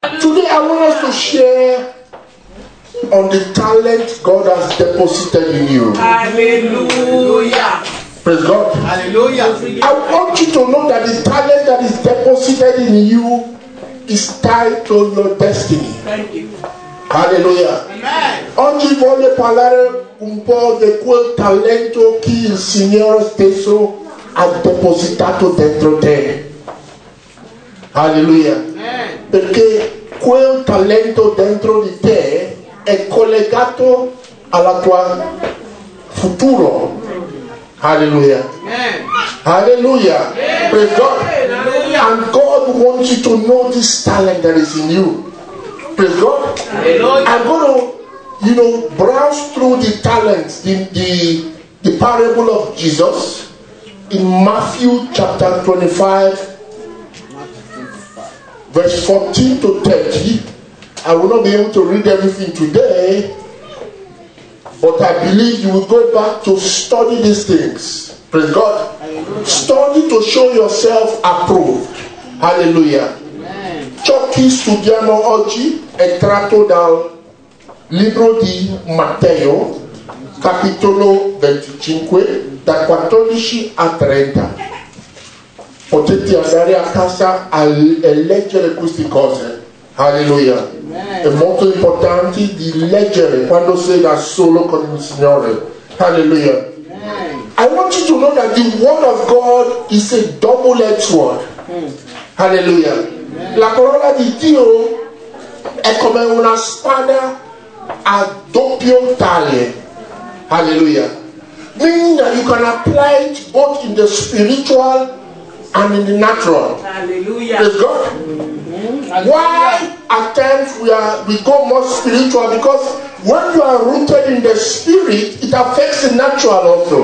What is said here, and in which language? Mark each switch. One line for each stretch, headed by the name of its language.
English: I want us to share on the talent God has deposited in you. Hallelujah. Praise God. Hallelujah. I want you to know that the talent that is deposited in you is tied to your destiny. Thank you. Hallelujah. Amen.
Italian: Oggi voglio parlare un po' di quel talento che il Signore stesso ha depositato dentro te.
English: Hallelujah. Amen.
Italian: Perché quel talento dentro di te è collegato alla tua futuro.
English: Hallelujah. Amen. Hallelujah. Amen. Praise God. Hallelujah. And God wants you to know this talent that is in you. Praise God. Hallelujah. I'm going to, you know, browse through the talents, the parable of Jesus in Matthew chapter 25, verse 14 to 30. I will not be able to read everything today, but I believe you will go back to study these things. Praise God. Hallelujah. Study to show yourself approved. Hallelujah.
Italian: Ciò che studiamo oggi è tratto dal libro di Matteo, capitolo 25, da 14 a 30. Potete andare a casa e leggere queste cose. Alleluia. Amen. È molto importante di leggere quando sei da solo con il Signore. Alleluia. Amen.
English: I want you to know that the word of God is a double-edged sword.
Italian: Alleluia. La parola di Dio è come una spada a doppio taglio. Alleluia.
English: Meaning that you can apply it both in the spiritual and in the natural.
Italian: Alleluia.
English: Praise God. Why at times we go more spiritual? Because when you are rooted in the spirit, it affects the natural also.